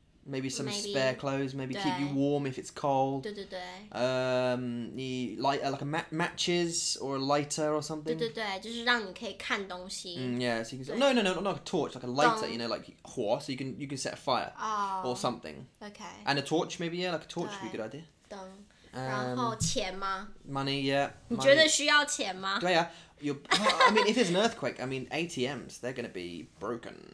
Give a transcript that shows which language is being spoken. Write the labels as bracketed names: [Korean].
[English] Maybe some spare clothes, maybe keep you warm if it's cold. [Chinese] 对对对。 [English] 你 light, like a matches or a lighter or something. [Chinese] 对对对，就是让你可以看东西。 [English] Yeah, so you can say, no, not a torch, like a lighter, you know, like 火, so you can set a fire or something. Okay. And a torch, maybe, yeah, like a torch would be a good idea. [Chinese] 灯。然后钱吗？ [English] Money, yeah. [Chinese] 你觉得需要钱吗？对啊。 [English] I mean, if there's an earthquake, I mean, ATMs, they're going to be broken.